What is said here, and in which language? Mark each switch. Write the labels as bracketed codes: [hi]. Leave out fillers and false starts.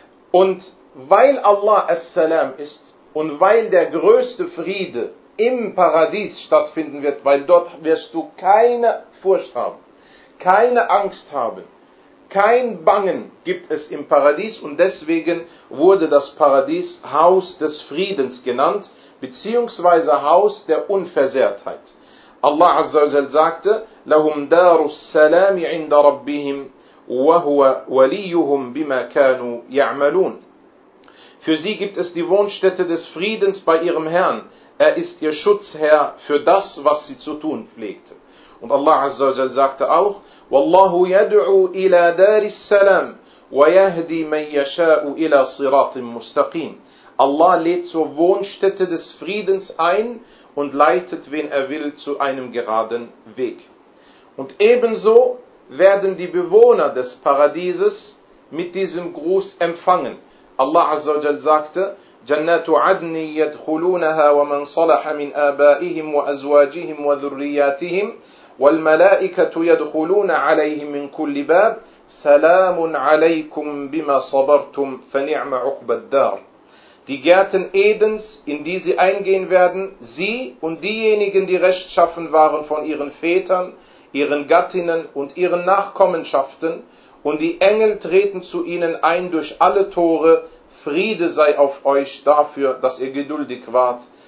[de] Und weil Allah As-Salam ist und weil der größte Friede im Paradies stattfinden wird, weil dort wirst du keine Furcht haben, keine Angst haben, kein Bangen gibt es im Paradies, und deswegen wurde das Paradies Haus des Friedens genannt, beziehungsweise Haus der Unversehrtheit. Allah Azza wa Jal sagte, [ar] لَهُمْ دَارُ السَّلَامِ عِنْدَ رَبِّهِمْ وَهُوَ وَلِيُّهُمْ بِمَا كَانُوا يَعْمَلُونَ. [de] Für sie gibt es die Wohnstätte des Friedens bei ihrem Herrn. Er ist ihr Schutzherr für das, was sie zu tun pflegte. Und Allah Azza wa Jal sagte auch, [ar] وَاللَّهُ يَدْعُوا إِلَى دَارِ السَّلَامِ وَيَهْدِي مَنْ يَشَاءُ إِلَى صِرَاطٍ مُسْتَقِيمٍ. [de] Allah lädt zur Wohnstätte des Friedens ein und leitet, wen er will, zu einem geraden Weg. Und ebenso werden die Bewohner des Paradieses mit diesem Gruß empfangen. Allah Azza wa Jal sagte, [ar] جَنَّاتُ عَدْنِ يَدْخُلُونَهَا وَمَنْ صَلَحَ مِنْ آبَائِهِمْ وَأَزْوَاجِهِمْ وَذُرِّيَّاتِهِمْ وَالْمَلَائِكَةُ يَدْخُلُونَ عَلَيْهِمْ مِنْ كُلِّ بَابٍ سَلَامٌ عَلَيْكُمْ بِمَا صَبَرْتُمْ فَنِعْمَ عُقْبَى الدَّارِ. [de] Die Gärten Edens, in die sie eingehen werden, sie und diejenigen, die rechtschaffen waren von ihren Vätern, ihren Gattinnen und ihren Nachkommenschaften, und die Engel treten zu ihnen ein durch alle Tore, Friede sei auf euch dafür, dass ihr geduldig wart.